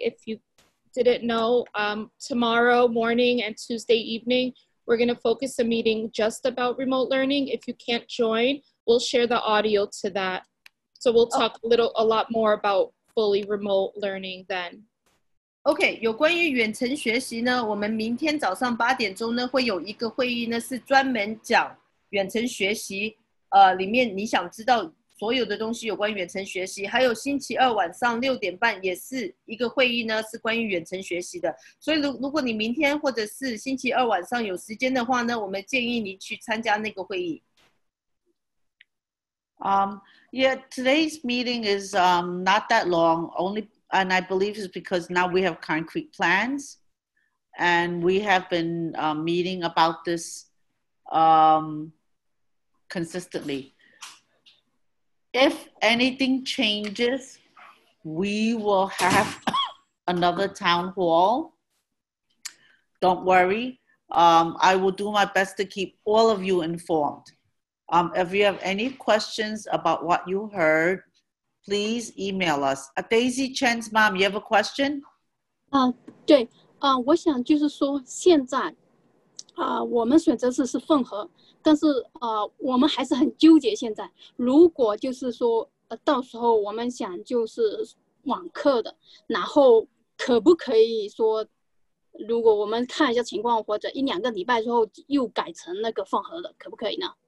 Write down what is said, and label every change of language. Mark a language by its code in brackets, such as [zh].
[en] If youDidn't know, tomorrow morning and Tuesday evening, we're going to focus a meeting just about remote learning. If you can't join, we'll share the audio to that. So we'll talk a lot more about fully remote learning then. [zh] Okay, 有关于远程学习呢，我们明天早上八点钟呢，会有一个会议呢，是专门讲远程学习，里面你想知道所有的东西有关远程学习，还有星期二晚上六点半也是一个会议呢，是关于远程学习的。所以如果你明天或者是星期二晚上有时间的话呢，我们建议你去参加那个会议。 [en] Yeah, today's meeting is not that long, only, and I believe it's because now we have concrete plans, and we have been meeting about this consistently. If anything changes, we will have another town hall. Don't worry. I will do my best to keep all of you informed. If you have any questions about what you heard, please email us. Daisy Chen's mom, you have a question? [zh] 对，我想就是说现在，我们选择是混合。但是我们还是很纠结。现在如果就是说到时候我们想就是网课的，然后可不可以说，如果我们看一下情况，或者一两个礼拜之后又改成那个混合的，可不可以呢